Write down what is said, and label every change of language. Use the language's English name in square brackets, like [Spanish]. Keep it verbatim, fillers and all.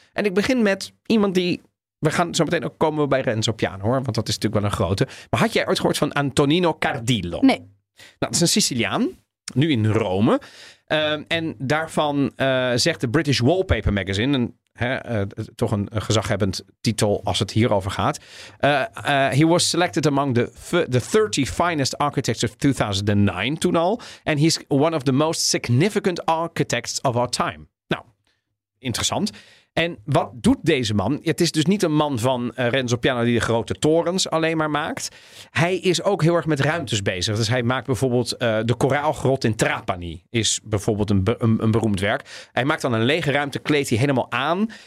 [Dutch] En ik begin met iemand die... We gaan zo meteen ook komen bij Renzo Piano, hoor. Want dat is natuurlijk wel een grote. Maar had jij ooit gehoord van Antonino Cardillo? Nee. Nou, het is een Siciliaan, nu in Rome. Ehm, en daarvan eh, zegt de British Wallpaper Magazine, een, hè, eh, toch een, een gezaghebbend titel als het hierover gaat. [English] Eh, eh, he was selected among the, f- the thirty finest architects of two thousand nine toen al. And he's one of the most significant architects of our time. [Dutch] Nou, interessant. En wat doet deze man? Het is dus niet een man van eh, Renzo Piano die de grote torens alleen maar maakt. Hij is ook heel erg met ruimtes bezig. Dus hij maakt bijvoorbeeld eh, de koraalgrot in Trapani. Is bijvoorbeeld een, be- een, een beroemd werk. Hij maakt dan een lege ruimte, kleedt hij helemaal aan.